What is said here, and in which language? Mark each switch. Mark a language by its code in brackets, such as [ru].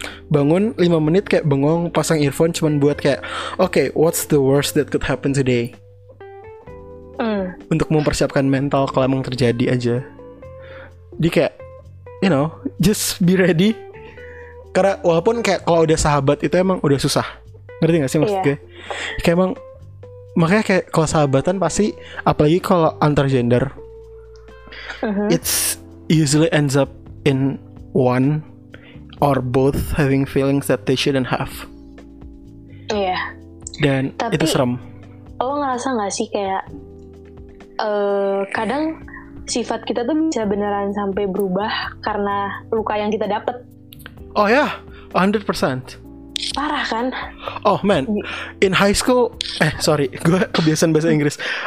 [id] Bangun 5 menit kayak bengong, pasang earphone cuman buat kayak, [en] okay, what's the worst that could happen today? [id] Untuk mempersiapkan mental kalau emang terjadi aja. Jadi kayak, [en] you know, just be ready. [id] Karena walaupun kayak kalau udah sahabat itu emang udah susah. Ngerti gak sih maksud gue? Kayak emang, makanya kayak kalau sahabatan pasti, apalagi kalau antar gender, [en] it's usually ends up in one or both having feelings that they shouldn't have. Iya. Yeah. [id] Dan tapi, itu serem. Lo ngerasa gak sih kayak kadang sifat kita tuh bisa beneran sampai berubah karena luka yang kita dapet? [en] Oh ya, 100%. [id] Parah kan? [en] Oh man, in high school, [id] gue kebiasaan bahasa Inggris.